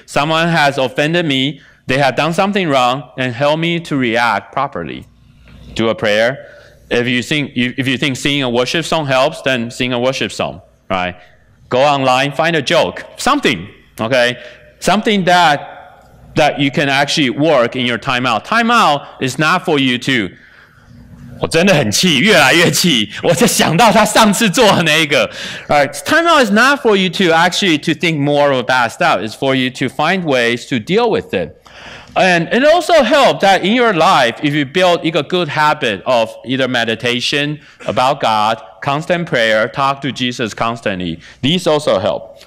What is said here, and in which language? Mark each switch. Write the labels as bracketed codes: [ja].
[en] Someone has offended me. They have done something wrong, and help me to react properly. Do a prayer. If you think singing a worship song helps, then sing a worship song, right? Go online, find a joke, something, okay? Something that you can actually work in your timeout. Timeout is not for you to, [zh] 我真的很气，越来越气。我在想到他上次做的那一个。 [en] Right, time out is not for you to actually to think more of bad stuff. It's for you to find ways to deal with it. And it also helps that in your life, if you build a good habit of either meditation about God, constant prayer, talk to Jesus constantly, these also help.